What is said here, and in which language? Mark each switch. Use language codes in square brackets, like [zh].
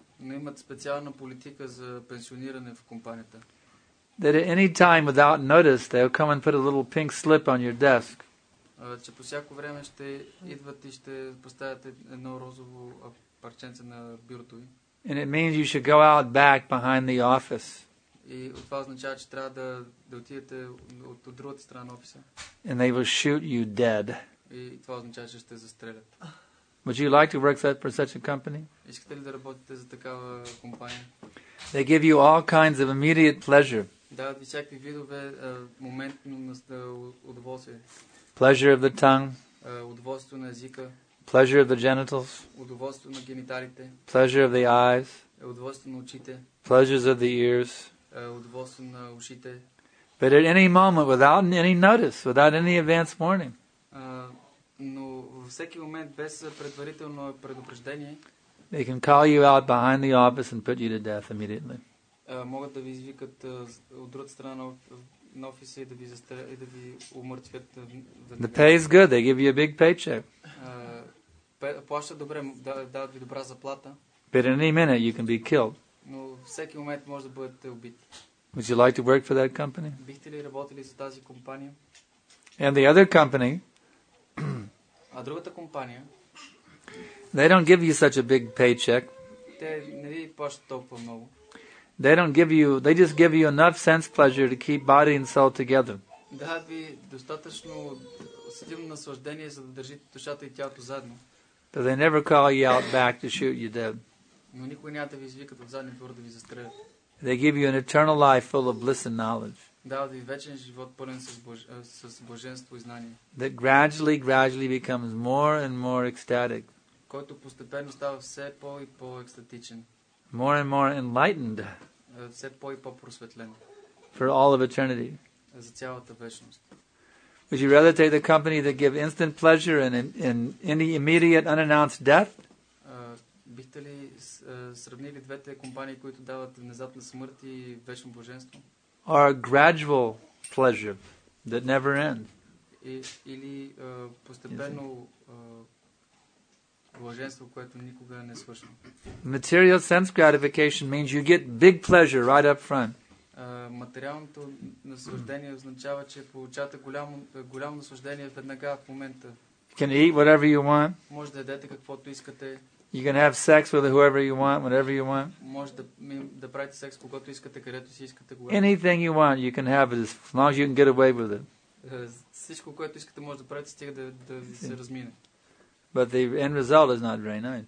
[bg] Но имат специална политика за пенсиониране в компанията. [en] That at any time without notice they'll come and put a little pink slip on your desk. [bg] Че по всяко време ще идват и ще поставят едно розово парченце на бюрото ви. [en] And it means you should go out back behind the office. [bg] И това означава, че трябва да отидете от другата страна на офиса. [en] And they will shoot you dead. [bg] И това означава, че ще застрелят. [en] Would you like to work for such a company? [bg] Искате ли да работите за такава компания? [en] They give you all kinds of immediate pleasure. [bg] Дават ви всякакви видове моментно удоволствие. [en] Pleasure of the tongue. [bg] Удоволствието на езика. [en] Pleasure of the genitals. [bg] Удоволствието на гениталите. [en] Pleasure of the eyes. [bg] удоволствие на очите, [en] pleasures of the ears, [bg] удоволствие на ушите. [en] But at any moment, without any notice, without any advance warning. [bg] Но във всеки момент без предварително предупреждение. [en] They can call you out behind the office and put you to death immediately. [bg] Могат да ви извикат от друга страна на офиса и да ви умъртвят. [en] The pay is good. They give you a big paycheck. [bg] Плащат добре, дават ви добра заплата. [en] But in any minute you can be killed. [bg] Но всеки момент може да бъдете убити. [en] Would you like to work for that company? [bg] Бихте ли работили за тази компания? [en] And the other company? [bg] А другата компания? [en] They don't give you such a big paycheck. [bg] Те не ви плащат толкова много. [en] They don't give you, they just give you enough sense pleasure to keep body and soul together. [bg] Да ви достатъчно усетимо наслаждение, за да държите душата и тялото заедно. [en] But they never call you out back to shoot you dead. [bg] Но никой няма да ви извикат от задния двор да ви застрелят. [en] They give you an eternal life full of bliss and knowledge. [bg] Дават ви вечен живот пълен с блаженство и знание. [en] That gradually becomes more and more ecstatic. [bg] Който постепенно става все по и по екстатичен. [en] More and more enlightened. [bg] Все по и по просветлен. [en] For all of eternity. [bg] За цялата вечност. [en] Would you rather take the company that give instant pleasure and in any immediate unannounced death? [bg] Бихте ли сравнили двете компании, които дават внезапна смърт и вечно блаженство? [en] Or a gradual pleasure that never ends? [bg] Или постепенно блаженство, което никога не свършва? [en] Material sense gratification means you get big pleasure right up front. [bg] Материалното наслаждение означава, че получавате голямо наслаждение веднага в момента. [en] You can eat whatever you want. [bg] Може да ядете каквото искате. [en] You can have sex with whoever you want, whatever you want. [bg] Може да правите секс когото искате, където си искате, когато. [en] Anything you want, you can have it as long as you can get away with it. [bg] Всичко, което искате, може да правите, стига да се размине. [en] But the end result is not very nice.